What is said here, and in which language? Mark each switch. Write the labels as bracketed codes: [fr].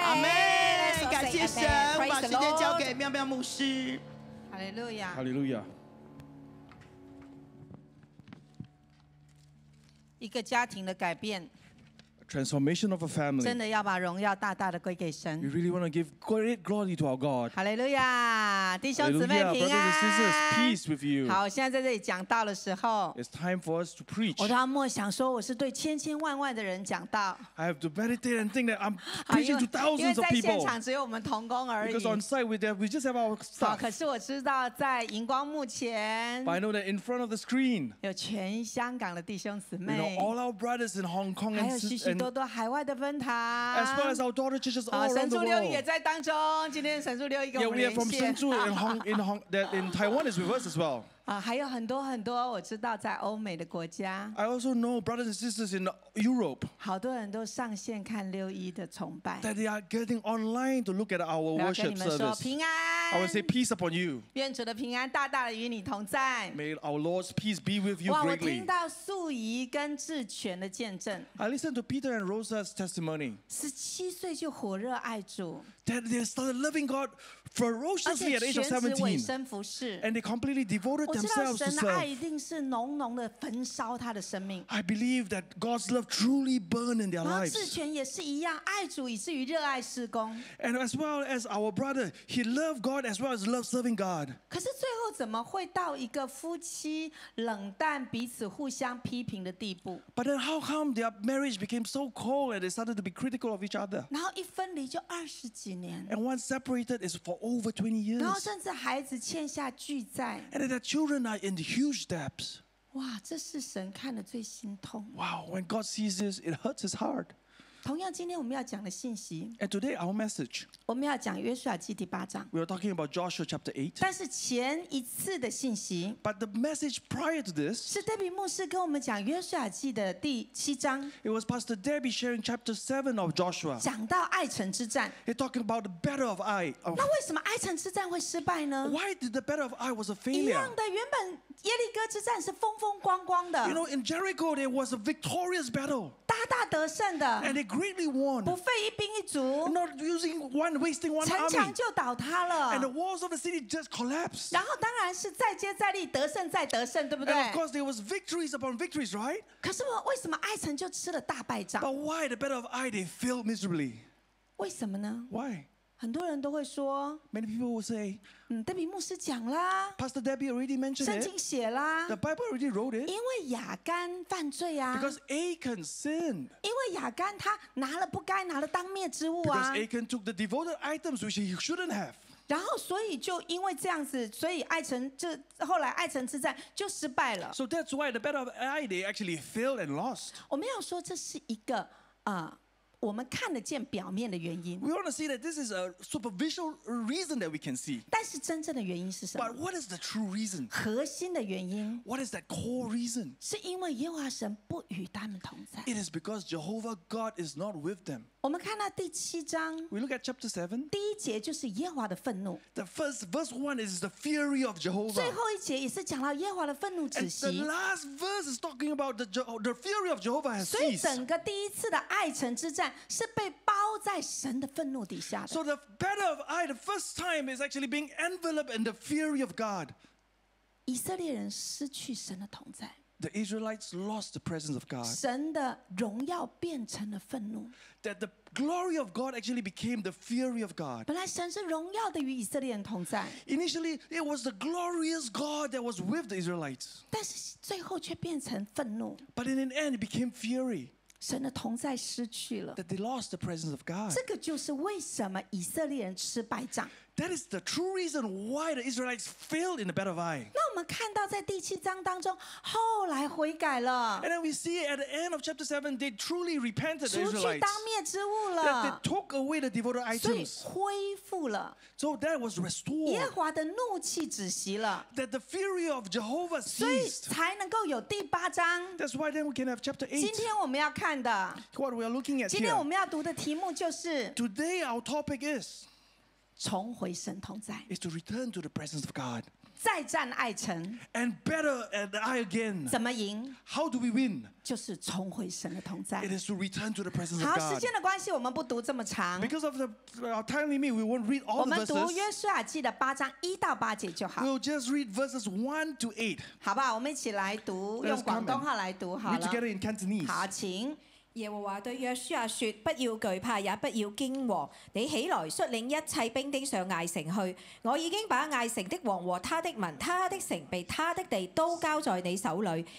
[zh] 阿门。感谢神，我把时间交给妙妙牧师。 [en] Hallelujah。 Hallelujah。 [zh] 一个家庭的改变 [en] ，transformation of a family， [zh] 真的要把荣耀大大的归给神。 [en] We really want to give great glory to our God。 [zh] 哈利路亚，弟兄姊妹平安。 [en] Peace with you。 [zh] 好，现在在这里讲道的时候 [en] ，It's time for us to preach。 [zh] 我都要默想说，我是对千千万万的人讲道。 [en] I have to meditate and think that I'm preaching to thousands of people。 [zh] 因为在现场只有我们同工而已。 [en] Because on site we have, we just have our staff。 好， [zh] 可是我知道在荧光幕前 [en] ，But I know that in front of the screen， [zh] 有全香港的弟兄姊妹。 [en] You know all our brothers in Hong Kong and sisters。 [zh] 还有许许多多海外的分堂。 [en] As well as our daughter churches all around the world。 [zh] 神助六一也在当中，今天神助六一跟我们连线。 [en] Yeah, we are from 神助 in Hong that in Taiwan is with us as well。 [zh] 还有很多很多，我知道在欧美的国家。 [en] I also know brothers and sisters in Europe。 [zh] 好多人都上线看六一的崇拜。 [en] That they are getting online to look at our worship service。 [zh] 我要跟你们说平安。 [en] I will say peace upon you。 [zh] 愿主的平安大大的与你同在。 [en] May our Lord's peace be with you greatly。 [zh] 哇，我听到素仪跟志全的见证。 [en] I listened to Peter and Rosa's testimony。 [zh] 17岁就火热爱主。 [en] That they started loving God ferociously at the age of 17, and they completely devoted themselves to serve. [zh] 我知道神爱一定是浓浓的焚烧他的生命。 [en] I believe that God's love truly burned in their lives. [zh] 志全也是一样，爱主以至于热爱事工。 [en] And as well as our brother, he loved God as well as loved serving God. [zh] 可是最后怎么会到一个夫妻冷淡、彼此互相批评的地步？ [en] But then how come their marriage became so cold and they started to be critical of each other? [zh] 然后一分离就二十几。 [en] And once separated, is for over 20 years. [zh] 然后甚至孩子欠下巨债。 [en] And their children are in huge debts. [zh] 哇，这是神看得最心痛。 [en] Wow, when God sees this, it hurts his heart. [zh] 同样，今天我们要讲的信息。 [en] And today our message. [zh] 我们要讲约书亚记第八章。 [en] We are talking about Joshua chapter 8. [zh] 但是前一次的信息。 [en] But the message prior to this. [zh] 是 Debbie 牧师跟我们讲约书亚记的第七章。 [en] It was Pastor Debbie sharing chapter 7 of Joshua. [zh] 讲到爱城之战。 [en] He talking about the battle of Ai. [zh] 那为什么爱城之战会失败呢？ [en] Why did the battle of Ai was a failure? [zh] 一样的，原本耶利哥之战是风风光光的。 [en] You know, in Jericho, there was a victorious battle. [zh] 大大得胜的。 [en] And they greatly won. [zh] 不费一兵一卒。 [en] Not using one, wasting one army. [zh] 城墙就倒塌了。 [en] And the walls of the city just collapsed. [zh] 然后当然是再接再厉，得胜再得胜，对不对 [en] ？And of course there was victories upon victories, right? [zh] 可是为什么爱城就吃了大败仗 [en] ？But why the battle of Ai they failed miserably? [zh] 为什么呢 [en] ？Why? [zh] 很多人都会说 [en] ，Many people will say， [zh] 嗯 ，Debbie 牧师讲啦 [en] ，Pastor Debbie already mentioned it， [zh] 圣经写啦 [en] ，The Bible already wrote it， [zh] 因为亚干犯罪啊 [en] ，Because Achan sinned， [zh] 因为亚干他拿了不该拿的当灭之物啊 [en] ，Because Achan took the devoted items which he shouldn't have， [zh] 然后所以就因为这样子，所以爱城就后来爱城之战就失败了 [en] ，So that's why the battle of Ai they actually failed and lost。 [zh] 我们要说这是一个啊。我们看得见表面的原因。 [en] We want to see that this is a superficial reason that we can see. [zh] 但是真正的原因是什么 [en] ？But what is the true reason? [zh] 核心的原因。 [en] What is that core reason? [zh] 是因为耶和华神不与他们同在。 [en] It is because Jehovah God is not with them. [zh] 我们看到第七章。 [en] We look at chapter 7. [zh] 第一节就是耶和华的愤怒。 [en] The first verse 1 is the fury of Jehovah. [zh] 最后一节也是讲到耶和华的愤怒止息。 [en] And the last verse is talking about the fury of Jehovah has ceased. [zh] 所以整个第一次的爱城之战。是被包在神的愤怒底下的。 [en] So the battle of Ai, the first time, is actually being enveloped in the fury of God. [zh] 以色列人失去神的同在。 [en] The Israelites lost the presence of God. [zh] 神的荣耀变成了愤怒。 [en] That the glory of God actually became the fury of God. [zh] 本来神是荣耀的与以色列人同在。 [en] Initially, it was the glorious God that was with the Israelites. [zh] 但是最后却变成愤怒。 [en] But in an end, it became fury. [zh] 神的同在失去了。 [en] That they lost the presence of God. [zh] 这个就是为什么以色列人吃败仗。 [en] That is the true reason why the Israelites failed in the battle of Ai. [zh] 那我们看到在第七章当中，后来悔改了。 [en] And then we see at the end of chapter 7, they truly repented. The Israelites. [zh] 除去当灭之物了。 [en] That they took away the devoted items. [zh] 所以恢复了。 [en] So that was restored. [zh] 耶和华的怒气止息了。 [en] That the fury of Jehovah ceased. [zh] 所以才能够有第八章。 [en] That's why then we can have chapter 8. [zh] 今天我们要看的。 [en] What we are looking at here. [zh] 今天我们要读的题目就是。 [en] Today our topic is. [zh] 重回神同在 [en] is to return to the presence of God. [zh] 再战爱城 [en] and better at I again. [zh] 怎么赢 [en] How do we win? [zh] 就是重回神的同在 [en] It is to return to the presence of God. [zh] 好，时间的关系，我们不读这么长 [en] Because of the time limit, we won't read all the verses. [zh] 我们读约书亚记的八章一到八节就好 [en] We'll just read verses 1-8. [zh] 好吧，我们一起来读，用广东话来读好了 [en] Read together in Cantonese. [zh] 好，请。耶和华对约书亚说：不要惧怕，也不要惊惶。你起来，率领一切兵丁上艾城去。我已经把艾城的王和他的民、他的城被他的地都交在你手里。